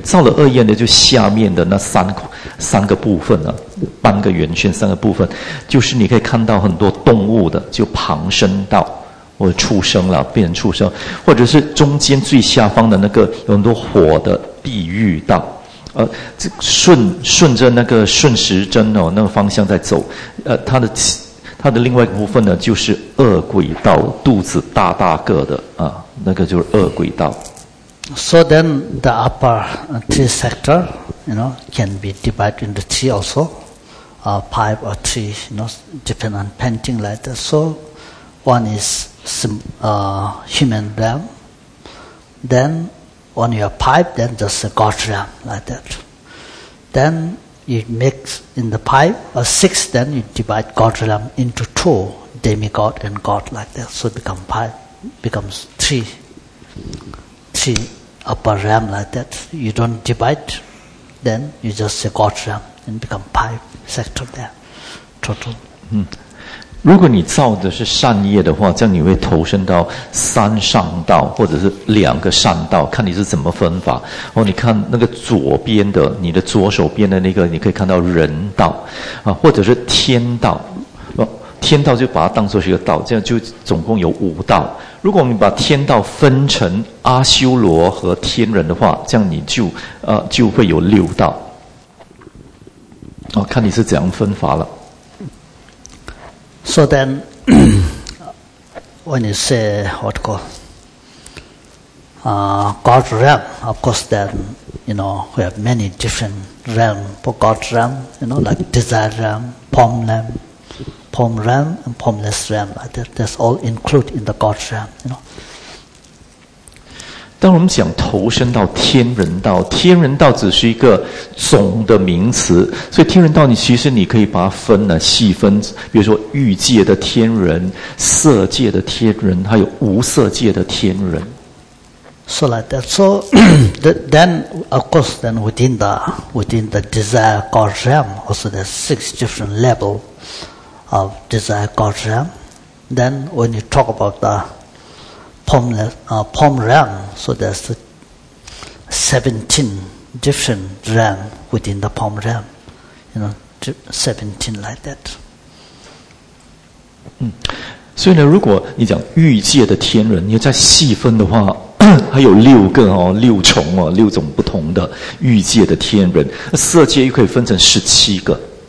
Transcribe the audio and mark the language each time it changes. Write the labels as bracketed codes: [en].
[zh] 造了恶业的就下面的那三个部分半个圆圈三个部分，就是你可以看到很多动物的就旁生道或者畜生了，变成畜生，或者是中间最下方的那个有很多火的地狱道。顺着那个顺时针哦，那个方向在走，它的另外一部分呢，就是恶鬼道，肚子大大个的啊，那个就是恶鬼道。 [en] So then the upper three sector, you know, can be divided into three also, five or three, you know, depend on painting like that. So one is human realm, then when you have five, then just a God realm like that. Then. You mix in the five or six, then you divide God realm into two, demigod and God like that. So become five, becomes three upper realm like that. You don't divide, then you just say God realm and become five sector there, total. [zh] 如果你造的是善业的话，这样你会投身到三上道或者是两个善道，看你是怎么分法。你看那个左边的，你的左手边的那个，你可以看到人道啊，或者是天道。天道就把它当作是一个道，这样就总共有五道。如果我们把天道分成阿修罗和天人的话，这样你就会有六道。看你是怎样分法了。 [en] So then, when you say what called God realm, of course, then you know we have many different realm for God realm. You know, like desire realm, form realm, form realm, and formless realm. That's all included in the God realm. You know. [zh] 当我们讲投身到天人道，天人道只是一个总的名词，所以天人道你其实你可以把它分了细分，比如说欲界的天人、色界的天人，还有无色界的天人。 [en] So like that. So then, of course, then within the desire God realm, also there's six different level of desire God realm. Then when you talk about the palm realm, so there's 17 different realm within the palm realm, you know, 17 like that. [zh] 所以呢，如果你讲欲界的天人，你再细分的话，还有六个哦，六重哦，六种不同的欲界的天人，色界又可以分成十七个。